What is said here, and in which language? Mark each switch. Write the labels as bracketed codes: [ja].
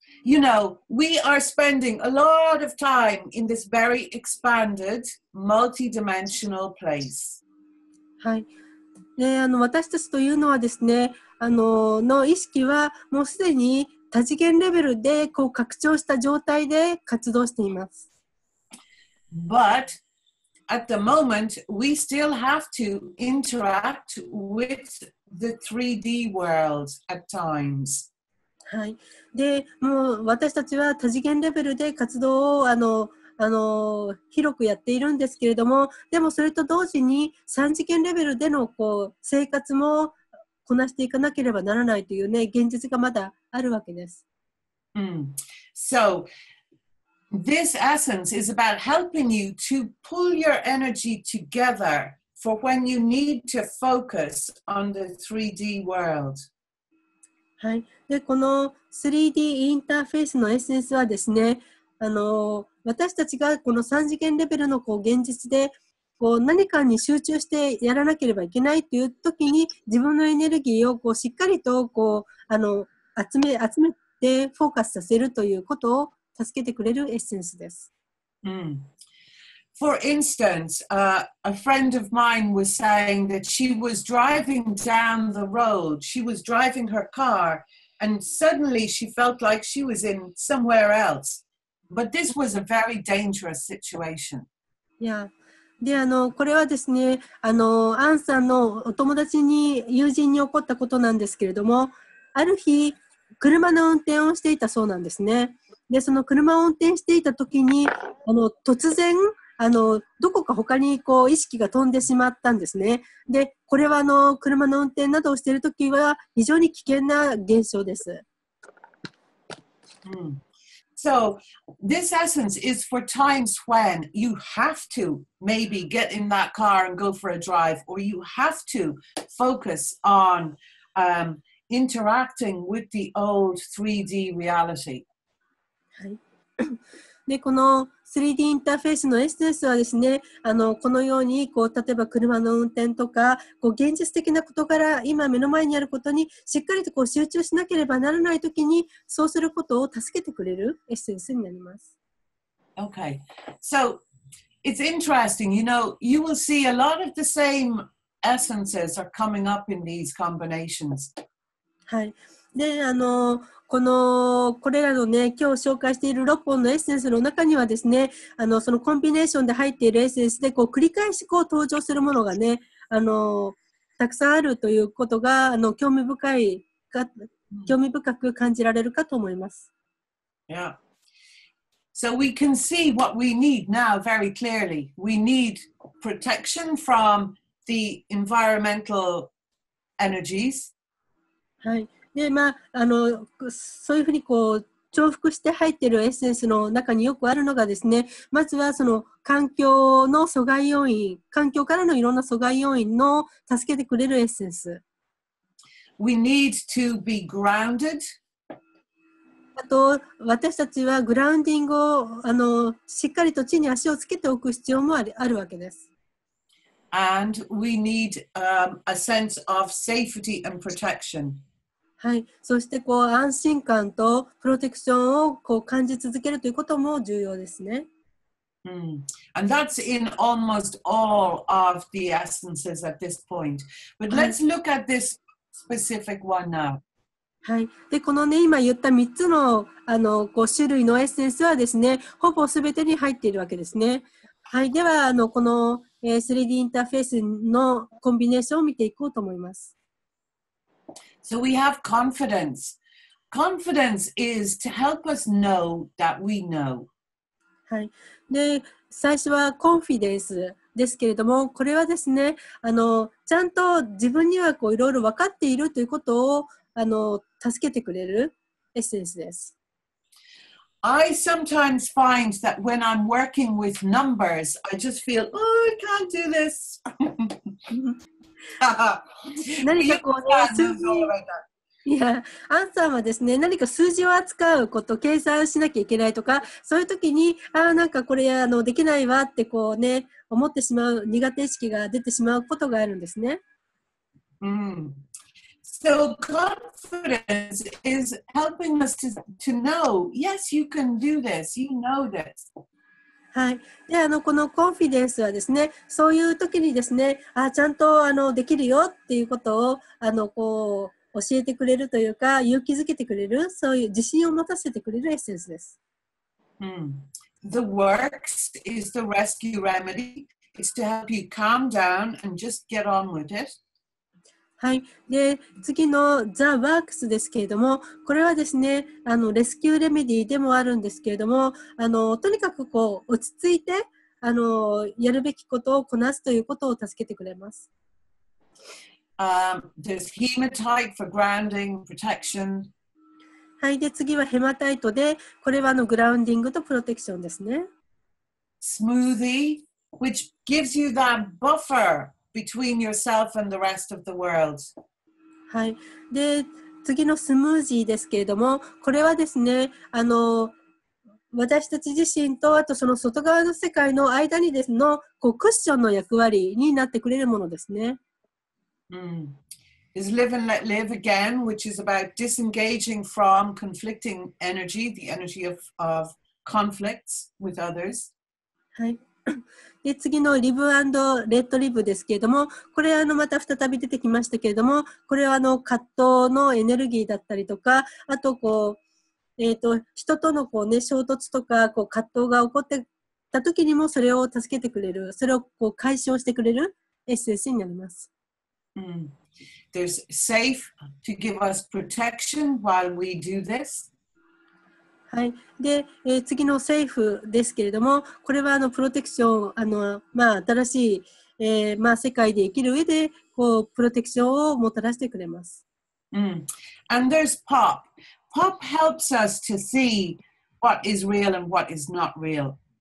[en] You know, we are spending a lot of time in this very expanded, multi-dimensional place. [ja] はい。で、私たちというのはですね、の意識はもうすでに多次元レベルで拡張した状態で活動しています。 [en] But at the moment, we still have to interact with the 3D world at times. [ja] はい、でもう私たちは多次元レベルで活動を広くやっているんですけれども、でもそれと同時に三次元レベルでの生活もこなしていかなければならないという、ね、現実がまだあるわけです。 [en] So this essence is about helping you to pull your energy together for when you need to focus on the 3D world. [ja] はい、でこの 3D インターフェースのエッセンスはですね、私たちがこの3次元レベルの現実で何かに集中してやらなければいけないという時に、自分のエネルギーをしっかりと集めてフォーカスさせるということを助けてくれるエッセンスです。 [en] For instance, a friend of mine was saying that she was driving down the road. She was driving her car, and suddenly she felt like she was in somewhere else. But this was a very dangerous situation. Yeah. [ja] で、これはですね、アンさんのお友達に、友人に起こったことなんですけれども、ある日、車の運転をしていたそうなんですね。で、その車を運転していた時に、突然、どこか他に意識が飛んでしまったんですね。で、これは車の運転などをしているときは非常に危険な現象です。 [en] So, this essence is for times when you have to maybe get in that car and go for a drive, or you have to focus on interacting with the old 3D reality. [ja] でこの 3D インターフェースのエッセンスはですね、このようにこう例えば車の運転とかこう現実的なことから今目の前にあることにしっかりとこう集中しなければならないときにそうすることを助けてくれるエッセンスになります。 [en] Okay, so it's interesting. You know, you will see a lot of the same essences are coming up in these combinations. [ja] はい。で、これらのね、今日紹介している6本のエッセンスの中にはですね、そのコンビネーションで入っているエッセンスで、こう、繰り返しこう登場するものがね、たくさんあるということが、興味深く感じられるかと思います。 [en] Yeah. So we can see what we need now very clearly. We need protection from the environmental energies. [ja] はい。でまあ、そういうふうにこう重複して入っているエッセンスの中によくあるのがですね、まずはその環境の阻害要因、環境からのいろんな阻害要因の助けてくれるエッセンス。 [en] We need to be grounded. [ja] あと、私たちはグラウンディングをしっかりと地に足をつけておく必要もあるわけです。 [en] And we need, a sense of safety and protection. [ja] はい、そしてこう安心感とプロテクションをこう感じ続けるということも重要ですね。 [en] And that's in almost all of the essences at this point. But let's look at this specific one now. [ja] はい、でこのね今言った3つの種類のエッセンスはですね、ほぼ全てに入っているわけですね。はい、ではこの 3D インターフェースのコンビネーションを見ていこうと思います。 [en] So we have confidence. Confidence is to help us know that we know. [ja] はい。で、最初はコンフィデンスですけれども、これはですね、ちゃんと自分にはこういろいろ分かっているということを助けてくれるエッセンスです。 [en] I sometimes find that when I'm working with numbers, I just feel, oh, I can't do this. [ja] 何かこうね、数字、いや、アンさんはですね、何か数字を扱うこと、計算しなきゃいけないとか、そういう時に、ああ、なんかこれできないわってこうね、思ってしまう、苦手意識が出てしまうことがあるんですね。 [en] So confidence is helping us to know, yes, you can do this, you know this. [ja] はい、でこのコンフィデンスはですね、そういう時にですね、あ、ちゃんとできるよっていうことをこう教えてくれるというか、勇気づけてくれる、そういう自信を持たせてくれるエッセンスです。 [en] The works is the rescue remedy. It's to help you calm down and just get on with it. [ja] はい、で次の The Works ですけれども、これはですね、レスキューレメディーでもあるんですけれども、とにかくこう落ち着いてやるべきことをこなすということを助けてくれます。 [en] There's hematite for grounding, protection. [ja] はい、で次はヘマタイトで、これはグラウンディングとプロテクションですね。 [en] Smoothie, which gives you that buffer. Between yourself and the rest of the world. [ja] はい。で、次のスムージーですけれども、これはですね、私たち自身とあとその外側の世界の間にですのこうクッションの役割になってくれるものですね。 [en] Is live and let live again, which is about disengaging from conflicting energy, the energy of conflicts with others. [ja] はい。で次のリブ&レッドリブですけれども、これはまた再び出てきましたけれども、これは葛藤のエネルギーだったりとか、あとこう、人とのこう、ね、衝突とかこう葛藤が起こってた時にもそれを助けてくれる、それをこう解消してくれるエッセンスになります。 [en] There's safe to give us protection while we do this. [ja] はい、で次のセーフですけれども、これはプロテクション、まあ、新しい、まあ、世界で生きる上でこうプロテクションをもたらしてくれます。 [en] And there's pop. Pop helps us to see what is real and what is not real.